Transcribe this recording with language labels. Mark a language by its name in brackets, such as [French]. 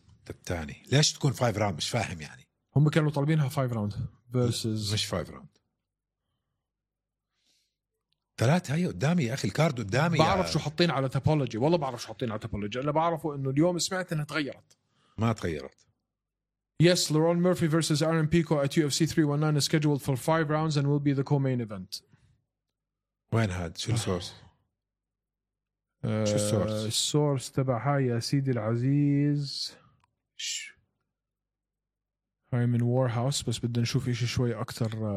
[Arabic] التاني. ليش تكون five round؟ مش فاهم يعني. هم كانوا طالبينها 5 راوند versus مش 5 راوند. ثلاثة هي قدامي يا أخي، الكارد قدامي. بعرف شو حطين على تابولوجي، والله بعرف شو حطين على تابولوجي. أنا بعرفه إنه اليوم سمعت إنها تغيرت. ما تغيرت. [English] Yes, Lauren Murphy versus Aaron Pico at UFC 319 is scheduled for 5 rounds and will be the co-main event. [Arabic] وين هاد؟ شو السورس؟ السورس تبع هاي يا سيدي العزيز. هاي من وارهاوس، بس بدنا نشوف إشي شوي أكتر.